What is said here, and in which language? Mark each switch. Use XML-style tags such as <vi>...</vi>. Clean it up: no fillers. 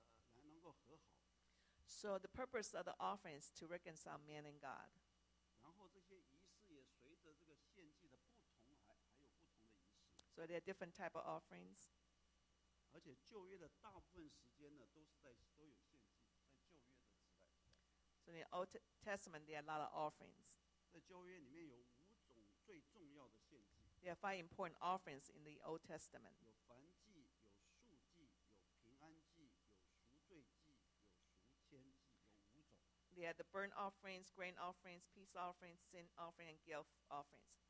<zh>那这个献祭的仪式呢，就是要把人与神的关系，我刚才有讲到哈，来能够和好。</zh> <en>So the purpose of the offerings to reconcile man and God.</en> <zh>然后这些仪式也随着这个献祭的不同，还有不同的仪式。</zh> <en>So there are different type of offerings.</en> <zh>而且旧约的大部分时间呢，都是在都有献祭，在旧约的时代。</zh> <en>So in the Old Testament, there are a lot of offerings.</en> <zh>在旧约里面有五种最重要的献祭。</zh> <en>There are five important offerings in the Old Testament.</en> <zh>有燔祭，有素祭，有平安祭，有赎罪祭，有赎愆祭，有五种。</zh> <en>There are the burnt offerings, grain offerings, peace offerings, sin offerings, and guilt offerings.</en>